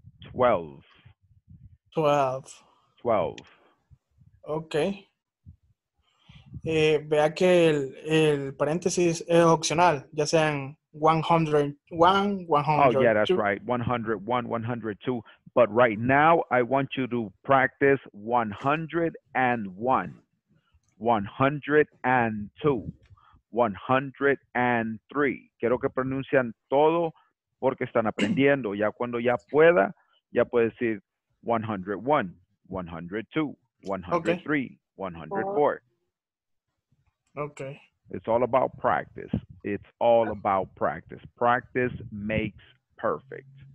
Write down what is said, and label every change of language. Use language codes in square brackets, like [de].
[en] 12. 12. 12. Okay. [es] Vea que el paréntesis es opcional, ya sean 101, 100. [en] Oh, yeah, that's right. 101, 102. But right now, I want you to practice 101, 102, 103. [es] Quiero que pronuncien todo porque están aprendiendo. Ya cuando ya pueda, ya puede decir 101, 102, 103, okay. 104. [en] Okay. It's all about practice. It's all about practice. Practice makes perfect.